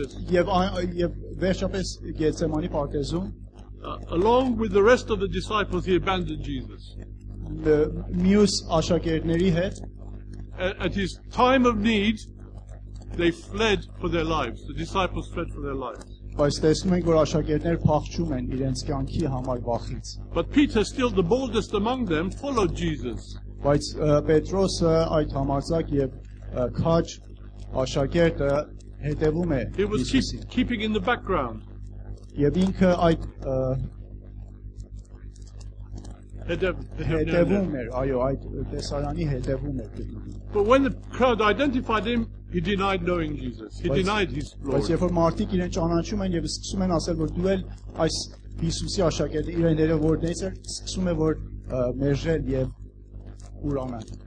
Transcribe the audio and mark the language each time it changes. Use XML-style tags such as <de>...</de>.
<hy>եւ վերջապես Գեցեմանի պարտեզում,</hy> <en>along with the rest of the disciples, he abandoned Jesus.</en> <hy>Մյուս աշակերտների հետ,</hy> <en>at his time of need, they fled for their lives. The disciples fled for their lives.</en> <hy>Բայց տեսնում ենք, որ աշակերտներ փախչում են իրենց կյանքի համար վախից։</hy> <en>But Peter, still the boldest among them, followed Jesus.</en> <hy>Բայց Պետրոսը այդ համարձակ եւ քաջ աշակերտը հետեւում է Հիսուսին,</hy> <en>keeping in the background.</en> <hy>Եվ ինքը այդ հետեւում էր, այո, այդ տեսարանի հետեւում էր։</hy> <en>But when the crowd identified him, he denied knowing Jesus. He denied his Lord.</en> <hy>Բայց երբ մարդիկ իրեն ճանաչում են եւ սկսում են ասել, որ դու ել այս Հիսուսի աշակերտը, իրեն ներողորդեց, սկսում է որ մերժել եւ ուրանալ։</hy>